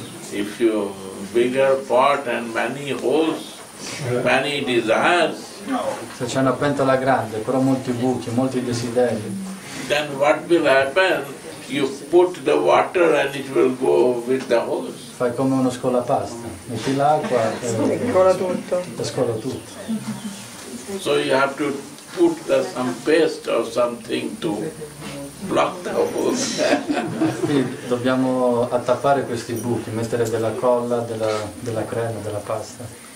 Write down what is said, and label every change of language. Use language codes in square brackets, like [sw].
[en] If you bigger pot and many holes, many desires. [it] Se c'è una pentola grande, però molti buchi, molti desideri. [en] Then what will happen? You put the water and it will go with the hose. [it] Fai come uno scolapasta, metti l'acqua e scola tutto. Scola tutto. [en] So you have to put some paste or something to block the hose. [it] Dobbiamo attappare questi buchi, mettere della colla, della crema, della pasta.